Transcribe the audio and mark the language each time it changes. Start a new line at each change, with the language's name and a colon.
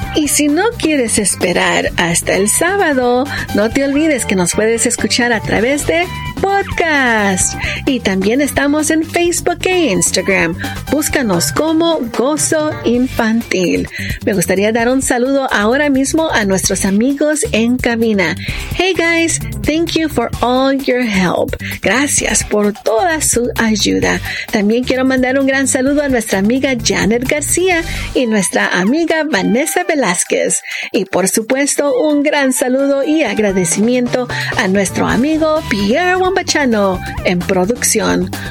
Spanish: Y si no quieres esperar hasta el sábado, no te olvides que nos puedes escuchar a través de podcast. Y también estamos en Facebook e Instagram. Búscanos como Gozo Infantil. Me gustaría dar un saludo ahora mismo a nuestros amigos en cabina.
English: Hey guys, thank you for all your help.
Spanish: Gracias por toda su ayuda. También quiero mandar un gran saludo a nuestra amiga Janet García y nuestra amiga Vanessa Velázquez. Y por supuesto, un gran saludo y agradecimiento a nuestro amigo Pierre Bachano en producción.